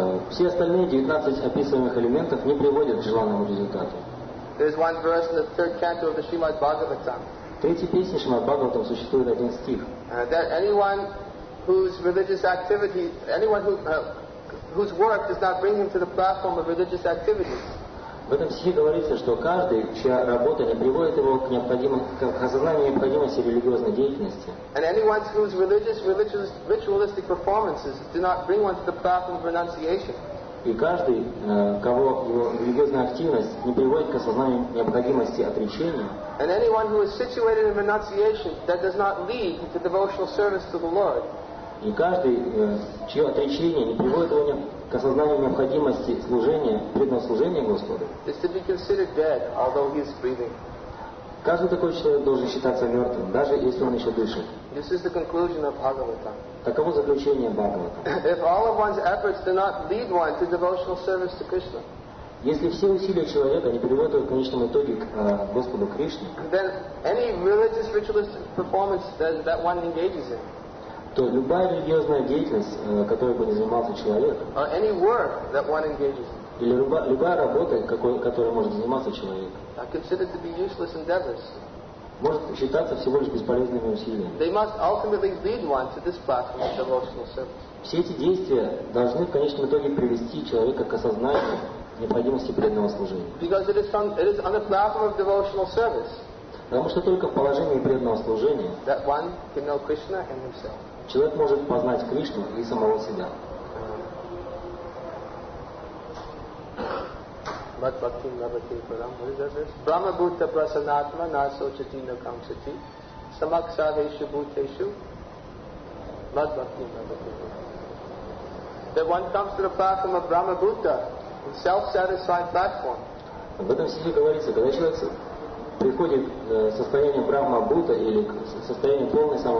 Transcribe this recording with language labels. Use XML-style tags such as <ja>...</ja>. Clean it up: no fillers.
<ru>Все остальные 19 описываемых элементов не приводят к желанному результату.</ru> <en>There is one verse in the third canto of the Srimad Bhagavatam.</en> <ru>третьей песне Шримад-Бхагаватам существует один стих.</ru> <en>That anyone whose religious activity, anyone who, whose work does not bring him to the platform of religious activities.</en> <ru>В этом стихе говорится, что каждый, чья работа не приводит его к осознанию необходимости религиозной деятельности.</ru> <en>And anyone whose religious ritualistic performances do not bring one to the platform of renunciation.</en> <ru>И каждый, кого его религиозная активность не приводит к осознанию необходимости отречения.</ru> <en>And anyone who is situated in renunciation that does not lead to devotional service to the Lord.</en> <ru>И каждый, чье отречение не приводит его к осознанию необходимости служения, преданного служения Господу,</ru> <en>is to be considered dead, although he is breathing.</en> <ru>Каждый такой человек должен считаться мертвым, даже если он еще дышит.</ru> <en>This is the conclusion of Bhagavatam.</en> <ru>Таково заключение Бхагаватам.</ru> <en>If all of one's efforts do not lead one to devotional service to Krishna,</en> <ru>если все усилия человека не приводят его в конечном итоге к Господу Кришне,</ru> <en>then any religious ritualistic performance that one engages in,</en> <ru>то любая религиозная деятельность, которой бы не занимался человек,</ru> <en>any work that one engages in,</en> <ru>или любая работа, которой может заниматься человек,</ru> <en>considered to be useless endeavors,</en> <ru>может считаться всего лишь бесполезными усилиями.</ru> <en>They must ultimately lead one to this platform of devotional service.</en> <ru>Все эти действия должны в конечном итоге привести человека к осознанию необходимости преданного служения.</ru> <en>Because it is on the platform of devotional service,</en> <ru>потому что только в положении преданного служения</ru> <en>that one can know Krishna and himself,</en> <ru>человек может познать Кришну и самого себя.</ru> <sa>Mat bhaktim labhate param.</sa> <en>What is that verse?</en> <sa>Brahma bhuta prasanatma nasochati nakamsati samaksaveshu bhuteshu mat bhaktim labhate param.</sa> <en>That one comes to the platform of Brahma bhuta, the self-satisfied platform.</en> <ru>В этом стихе говорится, когда человек приходит к состоянию Брахма Бхута или к состоянию полной</ru>